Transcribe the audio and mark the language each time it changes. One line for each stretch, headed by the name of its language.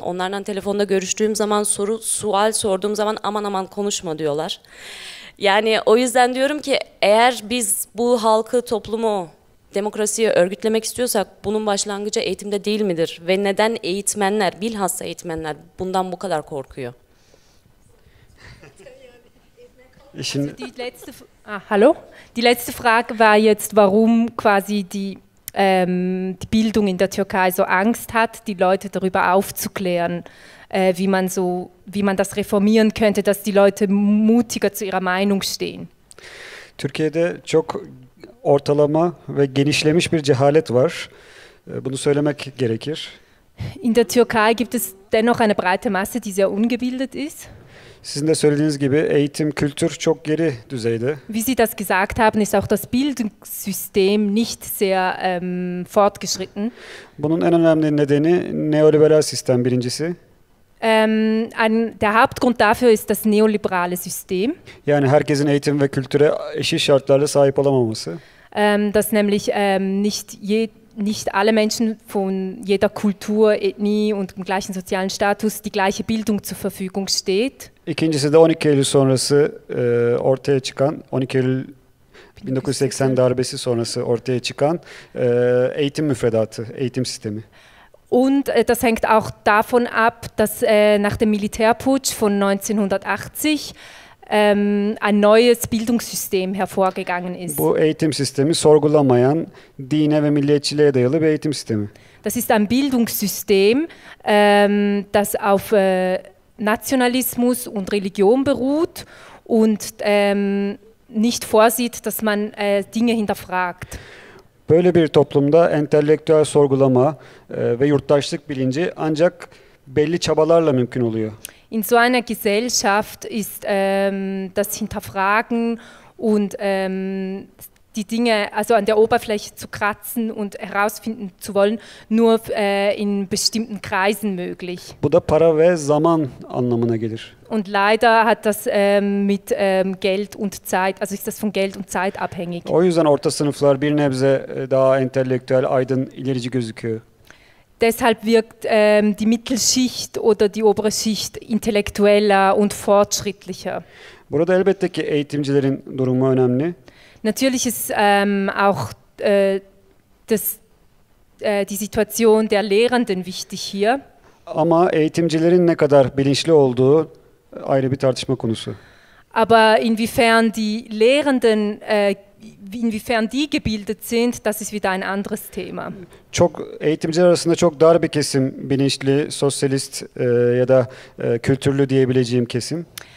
Turkish: Onlarla telefonda görüştüğüm zaman sual sorduğum zaman aman aman konuşma diyorlar. Yani o yüzden diyorum ki eğer biz bu halkı, toplumu, demokrasiyi örgütlemek istiyorsak bunun başlangıcı eğitimde değil midir? Ve neden eğitmenler, bilhassa eğitmenler bundan bu kadar korkuyor?
German: Also die letzte Frage war jetzt, warum quasi die Bildung in der Türkei so Angst hat, die Leute darüber aufzuklären, wie man das reformieren könnte, dass die Leute mutiger zu ihrer Meinung stehen.
Turkish: Türkiye'de çok ortalama ve genişlemiş bir cehalet var. Bunu söylemek gerekir.
German: In der Türkei gibt es dennoch eine breite Masse, die sehr ungebildet ist.
Turkish: Sizin de söylediğiniz gibi eğitim, kültür çok geri düzeyde.
German: Wie Sie das gesagt haben, ist auch das Bildungssystem nicht sehr fortgeschritten.
Turkish: Bunun en önemli nedeni neoliberal sistem birincisi.
German: Der Hauptgrund dafür ist das neoliberale System.
Turkish: Yani herkesin eğitim ve kültüre eşit şartlarla sahip olamaması.
German: Dass nämlich nicht alle Menschen von jeder Kultur, Ethnie und dem gleichen sozialen Status die gleiche Bildung zur Verfügung steht.
Turkish: İkincisi de 12 Eylül sonrası ortaya çıkan 12 Eylül 1980 darbesi sonrası ortaya çıkan eğitim müfredatı, eğitim sistemi.
German: Und das hängt auch davon ab, dass nach dem Militärputsch von 1980 ein neues Bildungssystem hervorgegangen ist.
Turkish: Bu eğitim sistemi sorgulamayan, dine ve milliyetçiliğe dayalı bir eğitim sistemi.
German: Das ist ein Bildungssystem, das auf Nationalismus und Religion beruht und nicht vorsieht, dass man Dinge hinterfragt.
Turkish: Böyle bir toplumda entelektüel sorgulama ve yurttaşlık bilinci ancak belli çabalarla mümkün oluyor.
German: In so einer Gesellschaft ist das Hinterfragen und die Dinge also an der Oberfläche zu kratzen und herausfinden zu wollen, nur in bestimmten Kreisen möglich.
Turkish: Bu da para ve zaman anlamına gelir.
German: Und leider hat das mit Geld und Zeit, also ist das von Geld und Zeit abhängig.
Turkish: O yüzden orta sınıflar bir nebze daha entelektüel, aydın, ilerici gözüküyor.
German: Deshalb wirkt die Mittelschicht oder die obere Schicht intellektueller und fortschrittlicher.
Turkish: Burada elbette ki eğitimcilerin durumu önemli.
German: Natürlich ist auch die Situation der Lehrenden wichtig hier.
Turkish: Ama eğitimcilerin ne kadar bilinçli olduğu ayrı bir tartışma konusu.
German: Aber inwiefern die Lehrenden inwiefern die gebildet sind, das ist wieder ein anderes Thema.
Turkish: Çok eğitimciler arasında çok dar bir kesim, bilinçli, sosyalist ya da kültürlü diyebileceğim kesim.